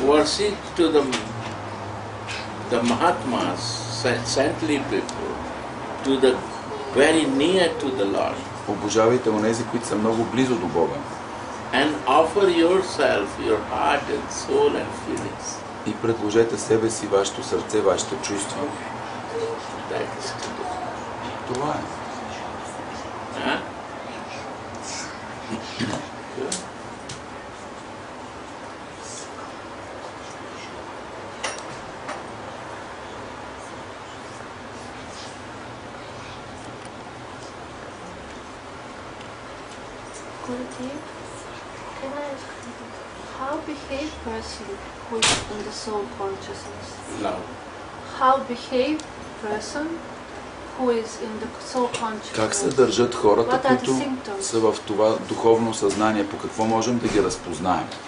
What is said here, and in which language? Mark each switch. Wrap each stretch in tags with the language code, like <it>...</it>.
<en>Worship to the Mahatmas, saintly people, to the very near to the Lord.</en> <bg>Обожавайте онези, които са много близо до Бога.</bg> <en>And offer yourself, your heart and soul and feelings.</en> <bg>И предложете себе си, вашето сърце, вашето чувство. Това е.</bg> <en>Гуруджи, can I ask you, how behave person who is in the soul consciousness? No. How behave person who is in the soul consciousness.</en> <bg>Как се държат хората, които са в това духовно съзнание, по какво можем да ги разпознаем?</bg>